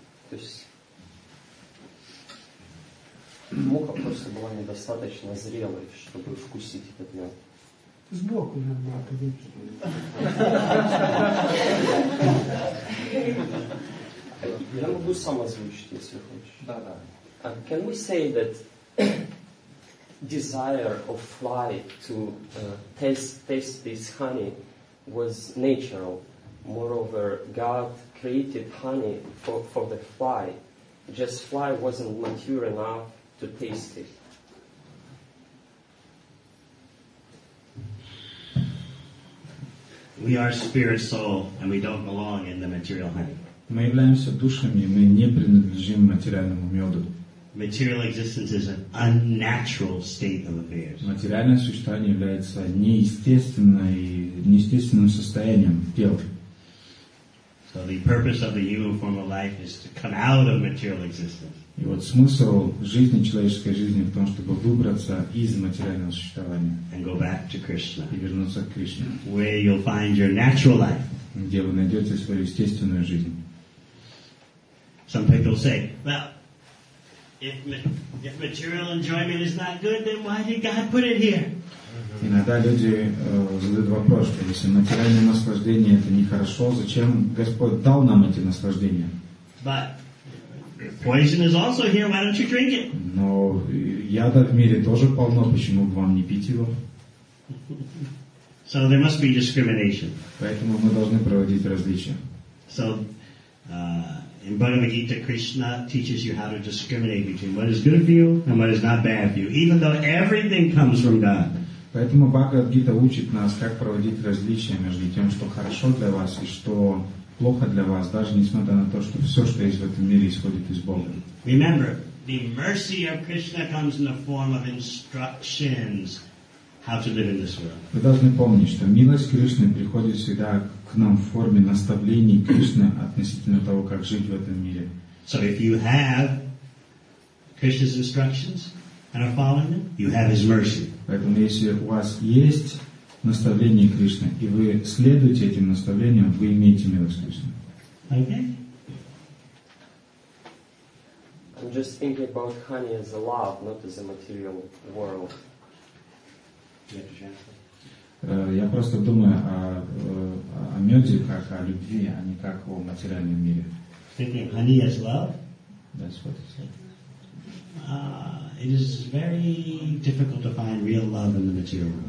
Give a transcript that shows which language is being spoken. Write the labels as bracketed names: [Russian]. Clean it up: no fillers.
[Russian] То есть муха просто была недостаточно зрелой, чтобы вкусить этот мед. Сбоку надо было подойти. Я могу сам озвучить, если хочешь. Да, да. [English] Can we say that desire of fly to taste this honey was natural? Moreover, God created honey for the fly. Just fly wasn't mature enough to taste it. We are spirit soul and we don't belong in the material honey. [Russian] Мы являемся душами, мы не принадлежим материальному мёду. [English] Material existence is an unnatural state of affairs. [Russian] Материальное существование является неестественным состоянием тел. [English] So the purpose of the human form of life is to come out of material existence. [Russian] И вот смысл жизни, человеческой жизни в том, чтобы выбраться из материального существования. [English] And go back to Krishna. [Russian] И вернуться к Кришне. [English] Where you'll find your natural life. [Russian] Где вы найдете свою естественную жизнь. [English] Some people say, well, If material enjoyment is not good, then why did God put it here? [Russian] Иногда люди задают вопрос, что если материальное наслаждение это нехорошо, зачем Господь дал нам эти наслаждения? [English] But poison is also here. Why don't you drink it? [Russian] Но яда в мире тоже полно. Почему бы вам не пить его? [English] So there must be discrimination. [Russian] Поэтому мы должны проводить различия. [English] So in Bhagavad Gita, Krishna teaches you how to discriminate between what is good for you and what is not bad for you, even though everything comes from God. [Russian] Поэтому Бхагавад-гита учит нас, как проводить различия между тем, что хорошо для вас и что плохо для вас, даже несмотря на то, что все, что есть в этом мире, исходит из Бога. [English] Remember, the mercy of Krishna comes in the form of instructions how to live in this world. [Russian] Вы должны помнить, что милость Кришны приходит всегда к нам в форме наставлений Кришны относительно того, как жить в этом мире. [English] So if you have Krishna's instructions and are following them, you have His mercy. [Russian] Поэтому если у вас есть наставление Кришны, и вы следуете этим наставлениям, вы имеете милость Кришны. [English] Okay. I'm just thinking about honey as a love, not as a material world. [Russian] Я просто думаю о меде как о любви, а не как о материальном мире. [English] Thinking honey as love? That's what you said. It is very difficult to find real love in the material world.